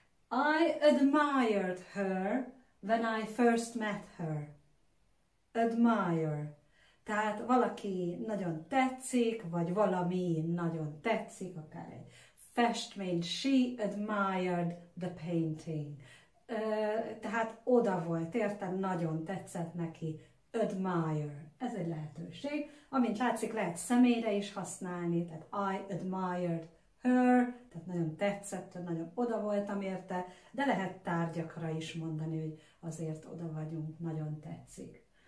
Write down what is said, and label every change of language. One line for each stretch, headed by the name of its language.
English: I admired her when I first met her. Admire.
Hungarian: Tehát valaki nagyon tetszik, vagy valami nagyon tetszik, akár egy festmény.
English: She admired the painting.
Hungarian: Tehát oda volt, értem, nagyon tetszett neki. Admire. Ez egy lehetőség. Amint látszik, lehet személyre is használni, tehát
English: I admired her,
Hungarian: tehát nagyon tetszett, nagyon oda voltam érte, de lehet tárgyakra is mondani, hogy azért oda vagyunk, nagyon tetszik.